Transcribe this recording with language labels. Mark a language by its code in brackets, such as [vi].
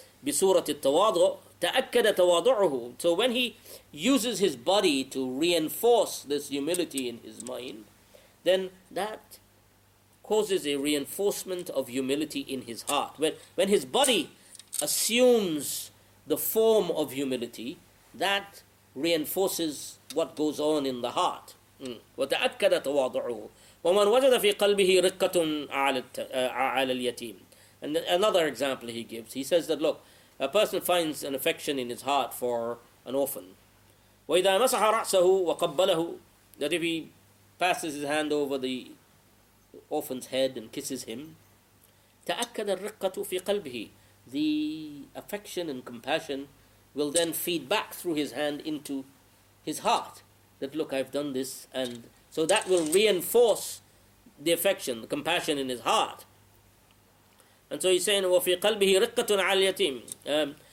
[ar] بسورة التواضع تأكد تواضعه. [en] So when he uses his body to reinforce this humility in his mind, then that causes a reinforcement of humility in his heart. When his body assumes the form of humility, that reinforces what goes on in the heart. [ar] وتأكد تواضعه. ومن وجد في قلبه رقة على اليتيم. [en] And another example he gives, he says that, look, a person finds an affection in his heart for an orphan. [ar] وَإِذَا مَسَحَ رَأْسَهُ وَقَبَّلَهُ, [en] that if he passes his hand over the orphan's head and kisses him, [ar] تَأَكَّدَ الرِّقَّةُ فِي قَلْبِهِ, [en] the affection and compassion will then feed back through his hand into his heart, that, look, I've done this, and so that will reinforce the affection, the compassion in his heart. And so he's saying, [ar] وَفِي قَلْبِهِ رِقَّةٌ عَلَى الْيَتِيمِ.